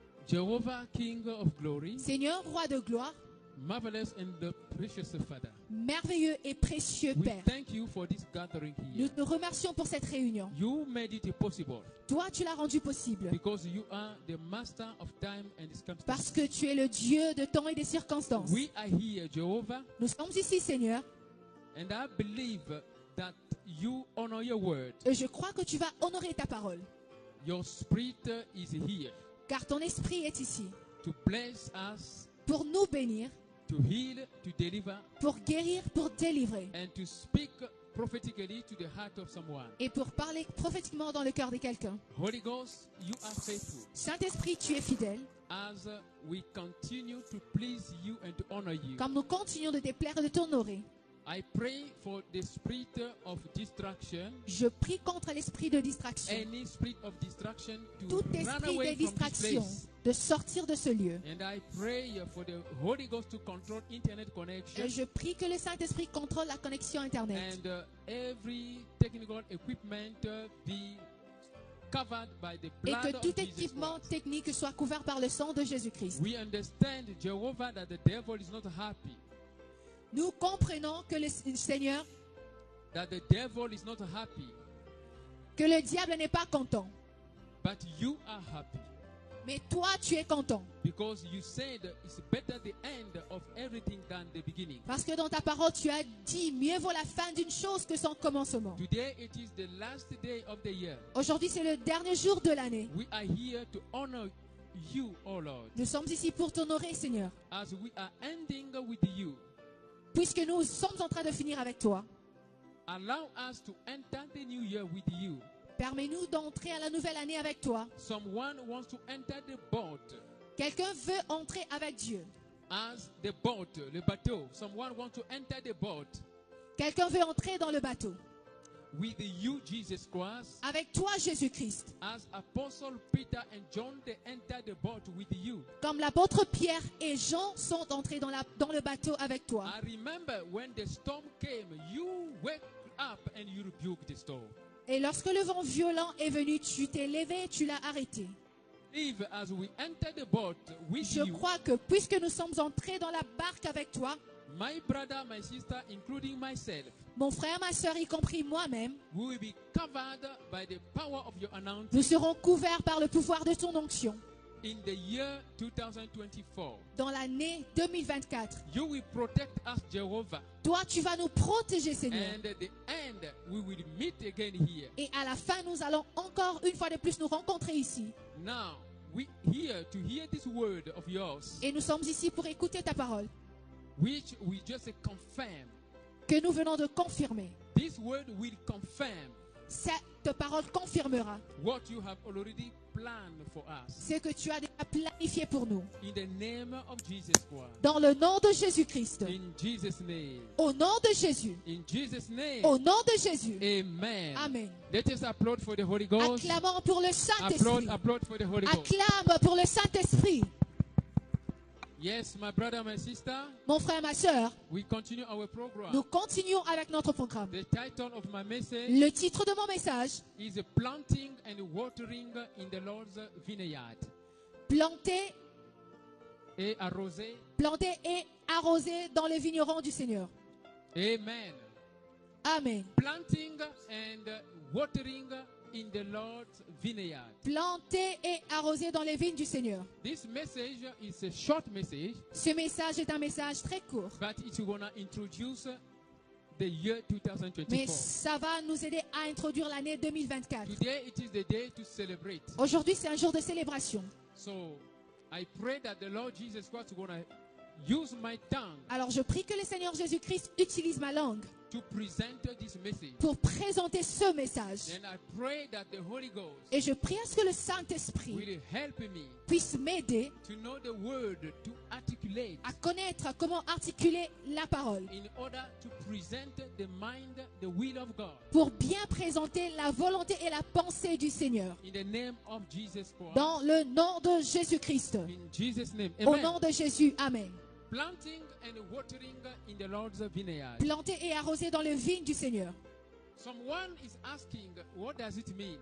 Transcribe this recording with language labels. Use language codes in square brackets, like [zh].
[en] Jehovah, King of Glory. [fr] Seigneur, roi de gloire. [en] Marvelous and precious Father. [fr] Merveilleux et précieux [en] we [fr] Père. [en] Thank you for this gathering here. [fr] Nous te remercions pour cette réunion. [en] You made it possible. [fr] Toi, tu l'as rendu possible. [en] Because you are the master of time and circumstances. [fr] Parce que tu es le Dieu de temps et des circonstances. [en] We are here, Jehovah. [fr] Nous sommes ici, Seigneur. [en] And I believe that you honor your word. [fr] Et je crois que tu vas honorer ta parole. [en] Your spirit is here. [fr] Car ton esprit est ici. [en] To bless us. [fr] Pour nous bénir, [en] to heal, to deliver, [fr] pour guérir, pour délivrer, [en] and to speak prophetically to the heart of someone. [fr] Et pour parler prophétiquement dans le cœur de quelqu'un. [en] Holy Ghost, you are faithful. [fr] Saint-Esprit, tu es fidèle. [en] As we continue to please you and to honor you. [fr] Comme nous continuons de te plaire et de t'honorer. [en] I pray for the spirit of distraction. [fr] Je prie contre l'esprit de distraction. [en] Any spirit of distraction to [fr] tout esprit [en] run away [fr] de distraction de sortir de ce lieu. [en] And I pray for the Holy Ghost to control internet connection. [fr] Et je prie que le Saint-Esprit contrôle la connexion internet. [en] And every technical equipment be covered by the blood. [fr] Et que tout équipement technique soit couvert par le sang de Jésus-Christ. [en] We understand, Jehovah, that the devil is not happy. [fr] Nous comprenons que le Seigneur [en] that the devil is not happy, [fr] que le diable n'est pas content. [en] But you are happy. [fr] Mais toi tu es content. [en] Because you said it's better the end of everything than the beginning. [fr] Parce que dans ta parole tu as dit mieux vaut la fin d'une chose que son commencement. [en] Today it is the last day of the year. [fr] Aujourd'hui c'est le dernier jour de l'année. [en] We are here to honor you, oh Lord. [fr] Nous sommes ici pour t'honorer, Seigneur. [en] As we are ending with you. [fr] Puisque nous sommes en train de finir avec toi. [en] Allow us to enter the new year with you. [fr] Permets-nous d'entrer à la nouvelle année avec toi. [en] Someone wants to enter the boat. [fr] Quelqu'un veut entrer avec Dieu. [en] As the boat, [fr] le bateau. [en] Someone wants to enter the boat. [fr] Quelqu'un veut entrer dans le bateau. [en] With you, Jesus Christ. [fr] Avec toi, Jésus-Christ. [en] As Apostle Peter and John, they entered the boat with you. [fr] Comme l'apôtre Pierre et Jean sont entrés dans le bateau avec toi. [en] I remember when the storm came, you woke up and you rebuked the storm. [fr] Et lorsque le vent violent est venu, tu t'es levé et tu l'as arrêté. [en] Live as we enter the boat with [fr] Je [en] you. [fr] Crois que puisque nous sommes entrés dans la barque avec toi, [en] my brother, my sister, including myself, [fr] mon frère, ma sœur, y compris moi-même, [en] we will be covered by the power of your anointing. [fr] Nous serons couverts par le pouvoir de ton onction. [en] In the year 2024, [fr] dans l'année 2024, [en] you will protect us, Jehovah. [fr] Toi, tu vas nous protéger, Seigneur. [en] And at the end, we will meet again here. [fr] Et à la fin, nous allons encore une fois de plus nous rencontrer ici. [en] Now, we here to hear this word of yours. [fr] Et nous sommes ici pour écouter ta parole. [en] Which we just confirm. [fr] Que nous venons de confirmer. [en] This word will confirm. [fr] Cette parole confirmera. [en] What you have already planned for us. [fr] Ce que tu as déjà planifié pour nous. [en] In the name of Jesus Christ. [fr] Dans le nom de Jésus-Christ. [en] In Jesus name. [fr] Au nom de Jésus. [en] In Jesus name. [fr] Au nom de Jésus. [en] Amen. [fr] Amen. [en] Let us applaud for the Holy Ghost. [fr] Acclamons pour le Saint-Esprit. [en] Applaud for the Holy Ghost. [fr] Acclame pour le Saint-Esprit. [en] Yes, my brother, my sister. [fr] Mon frère, ma sœur. [en] We continue our program. [fr] Nous continuons avec notre programme. [en] The title of my message. [fr] Le titre de mon message. [en] Is planting and watering in the Lord's vineyard. [fr] Planter. Et arroser. Planter et arroser dans les vignerons du Seigneur. [en] Amen. [fr] Amen. [en] Planting and watering in the Lord's vineyard. [fr] Planter et arroser dans les vignes du Seigneur. [en] This message is a short message. [fr] Ce message est un message très court. [en] But it's gonna introduce the year 2024. [fr] Mais ça va nous aider à introduire l'année 2024. [en] Today it is the day to celebrate. [fr] Aujourd'hui c'est un jour de célébration. [en] So I pray that the Lord Jesus Christ gonna use my tongue. [fr] Alors je prie que le Seigneur Jésus-Christ utilise ma langue. [en] To present this message. [fr] Pour présenter ce message. [en] And I pray that the Holy Ghost. [fr] Et je prie à ce que le Saint-Esprit [en] will help me [fr] puisse m'aider [en] to know the word to articulate. [fr] À connaître comment articuler la parole. [en] In order to present the mind, the will of God. [fr] Pour bien présenter la volonté et la pensée du Seigneur. [en] In the name of Jesus Christ. [fr] Dans le nom de Jésus-Christ. [en] In Jesus name. [fr] Amen. Au nom de Jésus. Amen. [en] Planting and watering in the Lord's vineyard. [fr] Planter et arroser dans les vignes du Seigneur. [en] Someone is asking, what does it mean?